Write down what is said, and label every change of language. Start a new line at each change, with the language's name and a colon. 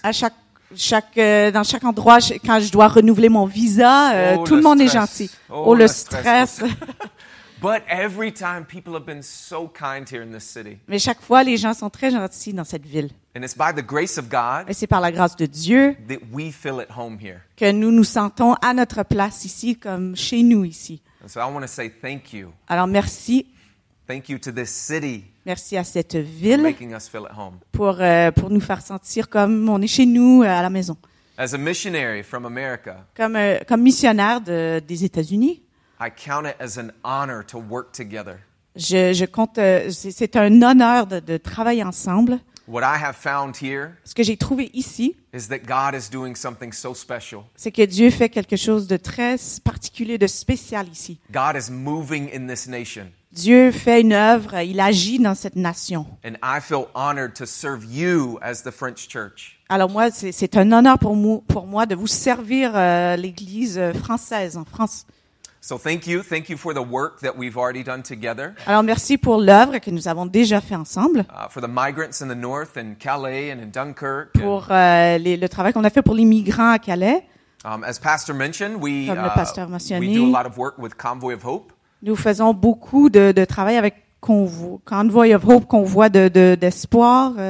French: À chaque endroit, quand je dois renouveler mon visa, tout le monde stress. Est gentil. Oh, le stress.
English: But every time people have been so kind here in this city.
French: Mais chaque fois les gens sont très gentils dans cette ville.
English: And it's by the grace of God.
French: Et c'est par la grâce de Dieu.
English: That we feel at home here.
French: Que nous nous sentons à notre place ici comme chez nous ici.
English: And so I want to say thank you.
French: Alors merci.
English: Thank you to this city.
French: Merci à cette ville.
English: For making us feel at home.
French: Pour nous faire sentir comme on est chez nous à la maison.
English: As a missionary from America.
French: Comme missionnaire des États-Unis.
English: I count it as an honor to work together.
French: Je compte, c'est un honneur de travailler ensemble.
English: What I have found here,
French: ce que j'ai trouvé ici,
English: is that God is doing something so special.
French: C'est que Dieu fait quelque chose de très particulier, de spécial ici.
English: God is moving in this nation.
French: Dieu fait une œuvre, il agit dans cette nation.
English: And I feel honored to serve you as the French church.
French: Alors moi, c'est un honneur pour moi de vous servir l'église française en France.
English: So thank you for the work that we've already done together.
French: Alors merci pour l'œuvre que nous avons déjà fait ensemble.
English: For the migrants in the north in Calais and in Dunkirk.
French: Pour le travail qu'on a fait pour les migrants à Calais.
English: As Pastor mentioned, we do a lot of work with Convoy of Hope.
French: Nous faisons beaucoup de travail avec Convoy of Hope, Convoi d'espoir.